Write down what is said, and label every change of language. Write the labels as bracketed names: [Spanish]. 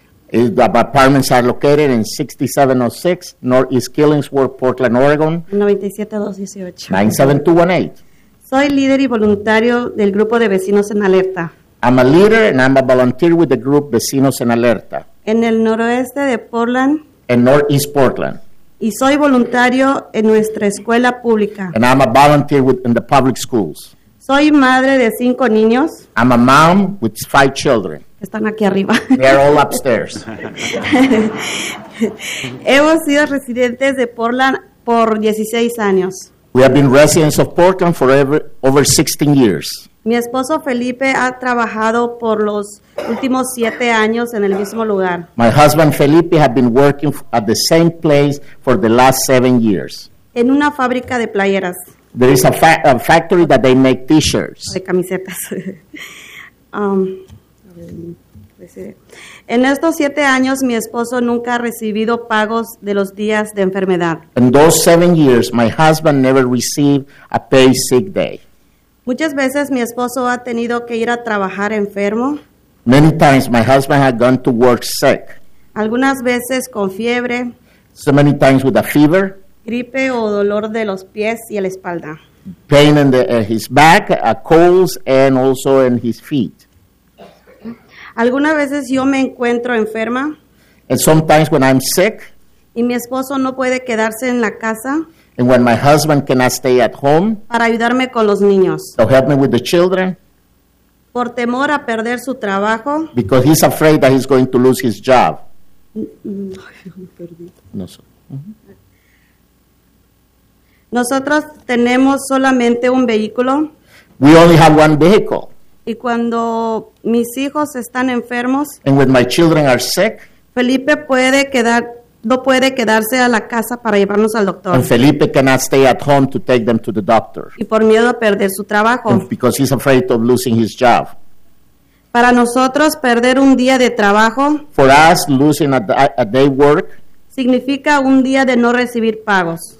[English] The apartments are located in 6706 North East Killingsworth, Portland, Oregon. 97218. [Spanish] Soy líder y voluntario del grupo de vecinos en alerta. [English] I'm a leader and I'm a volunteer with the group Vecinos en Alerta. [Spanish] En el noroeste de Portland. [English] In Northeast Portland. [Spanish] Y soy voluntario en nuestra escuela pública. [English] And I'm a volunteer in the public schools. [Spanish] Soy madre de cinco niños. [English] I'm a mom with five children. [Spanish] Están aquí arriba. [English] They're all upstairs. [Spanish] Hemos sido residentes de Portland por 16 años. [English] We have been residents of Portland for over 16 years. [Spanish] Mi esposo Felipe ha trabajado por los últimos 7 años en el mismo lugar. [English] My husband Felipe has been working at the same place for the last 7 years. [Spanish] En una fábrica de playeras. [English] There is a factory that they make t-shirts. [Spanish] De camisetas. En estos 7 años mi esposo nunca ha recibido pagos de los días de enfermedad. [English] In those 7 years my husband never received a paid sick day. [Spanish] Muchas veces mi esposo ha tenido que ir a trabajar enfermo. [English] Many times my husband had gone to work sick. [Spanish] Algunas veces con fiebre. [English] So many times with a fever. [Spanish] Gripe o dolor de los pies y la espalda. [English] Pain in his back, colds, and also in his feet. [Spanish] Algunas veces yo me encuentro enferma. [English] And sometimes when I'm sick. [Spanish] Y mi esposo no puede quedarse en la casa. [English] And when my husband cannot stay at home. [Spanish] Para ayudarme con los niños. [English] To help me with the children. [Spanish] Por temor a perder su trabajo. [English] Because he's afraid that he's going to lose his job. [Spanish] No, no, Nosotros tenemos solamente un vehículo. [English] We only have one vehicle. [Spanish] Y cuando mis hijos están enfermos. [English] And when my children are sick. [Spanish] Felipe puede quedar... No puede quedarse a la casa para llevarnos al doctor. [English] And Felipe cannot stay at home to take them to the doctor. [Spanish] Y por miedo a perder su trabajo. [English] And because he's afraid of losing his job. [Spanish] Para nosotros perder un día de trabajo. [English] For us, losing a day work. [Spanish] Significa un día de no recibir pagos.